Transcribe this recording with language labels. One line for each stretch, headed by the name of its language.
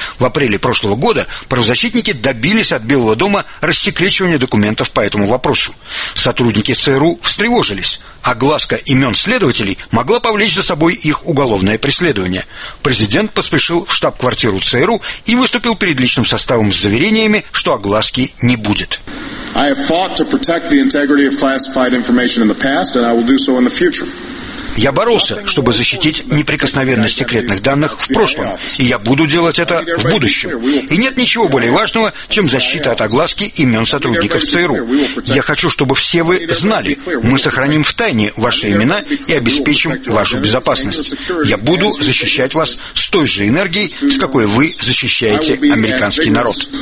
Russian: В апреле прошлого года правозащитники добились от Белого дома рассекречивания документов по этому вопросу. Сотрудники ЦРУ встревожились. Огласка имен следователей могла повлечь за собой их уголовное преследование. Президент поспешил в штаб-квартиру ЦРУ и выступил перед личным составом с заверениями, что огласки не будет.
English: I have fought to protect the integrity of classified information in the past, and I will do so in the future.
Russian: Я боролся, чтобы защитить неприкосновенность секретных данных в прошлом, и я буду делать это в будущем. И нет ничего более важного, чем защита от огласки имен сотрудников ЦРУ. Я хочу, чтобы все вы знали, мы сохраним в тайне ваши имена и обеспечим вашу безопасность. Я буду защищать вас с той же энергией, с какой вы защищаете американский народ.